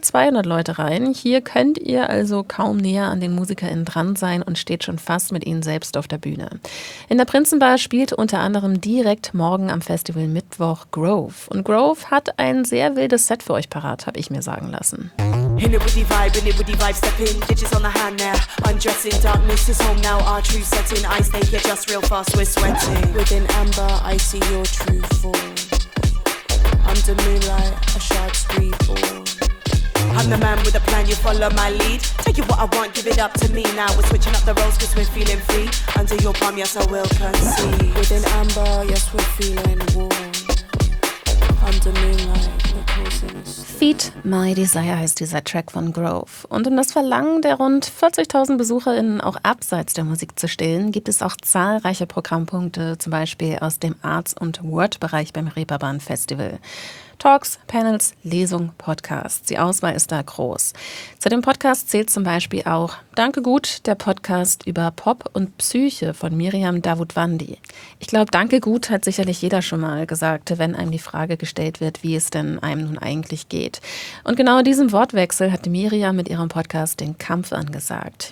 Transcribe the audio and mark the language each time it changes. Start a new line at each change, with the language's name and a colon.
German: 200 Leute rein. Hier könnt ihr also kaum näher an den MusikerInnen dran sein und steht schon fast mit ihnen selbst auf der Bühne. In der Prinzenbar spielt unter anderem direkt morgen am Festival Mittwoch Grove. Und Grove hat ein sehr wildes Set für euch parat, habe ich mir sagen lassen.
English: In it with the vibe, in it with the vibe, step in, bitches on the hand now, undressing, darkness is home now, our true setting, I stay here just real fast, we're sweating, within amber, I see your true form, under moonlight, a shard's reborn, I'm the man with a plan, you follow my lead, take it what I want, give it up to me now, we're switching up the roles cause we're feeling free, under your palm, yes I will concede, within amber, yes we're feeling warm, under moonlight.
German: Feed My Desire heißt dieser Track von Grove. Und um das Verlangen der rund 40.000 BesucherInnen auch abseits der Musik zu stillen, gibt es auch zahlreiche Programmpunkte, zum Beispiel aus dem Arts- und Word-Bereich beim Reeperbahn-Festival. Talks, Panels, Lesungen, Podcasts. Die Auswahl ist da groß. Zu dem Podcast zählt zum Beispiel auch Danke gut, der Podcast über Pop und Psyche von Miriam Davutwandi. Ich glaube, Danke gut hat sicherlich jeder schon mal gesagt, wenn einem die Frage gestellt wird, wie es denn einem nun eigentlich geht. Und genau diesem Wortwechsel hat Miriam mit ihrem Podcast den Kampf angesagt.